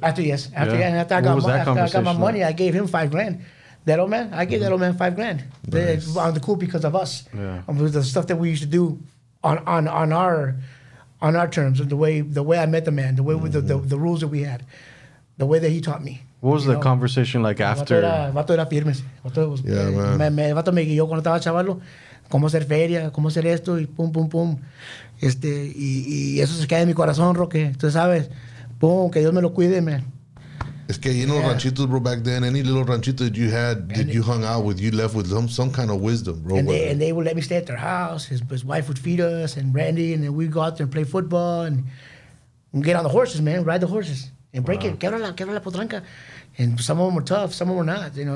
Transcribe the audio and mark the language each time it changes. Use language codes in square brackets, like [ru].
[en] After I got my money, I gave him $5,000. That old man, I gave mm-hmm. that old man $5,000. Nice. On the cool because of us. Yeah. The stuff that we used to do on our terms, and the way I met the man, the way mm-hmm. with the rules that we had, the way that he taught me. What was the conversation like after? [es] Vato era firme. [en] Yeah, man. [es] Vato me guió cuando estaba chavalo, cómo hacer feria, cómo hacer esto, y pum, pum, pum. Y eso se queda en mi corazón, Roque. Tú sabes, pum, que Dios me lo cuide, man. Es que, [en] you know, yeah. ranchitos, bro, back then, any little ranchito that you had, and that it, you hung out with, you left with some kind of wisdom, bro. And they would let me stay at their house. His wife would feed us and Randy, and then we'd go out there and play football and we'd get on the horses, man, ride the horses and break it. [es] Quebra la potranca. [en] And some of them were tough, some of them were not, you know.